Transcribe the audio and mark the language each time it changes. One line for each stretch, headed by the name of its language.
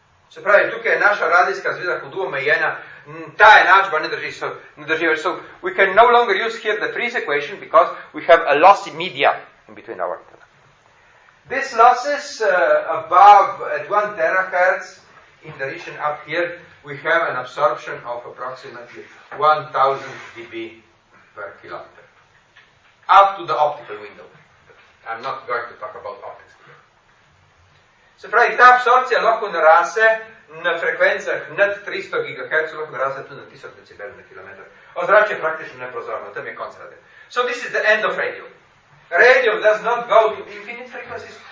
Slovenian: Se pravi, tukaj je naša radijska zveza kot omejena, ta enačba ne drži več.
English: So we can no longer use here the Friis equation because we have a lossy media in between our antenna. These losses above at 1 terahertz in the region up here, we have an absorption of approximately 1000 dB per kilometer. Up to the optical window. I'm not going to talk about optics here.
Slovenian: Se pravi, ta absorpcija lahko naraste na frekvencah nad 300 GHz, lahko naraste tudi na 1000 decibel na kilometr. Ozračje je praktično neprozorno, tam je konc radio.
English: So this is the end of radio. Radio does not go to infinite frequencies.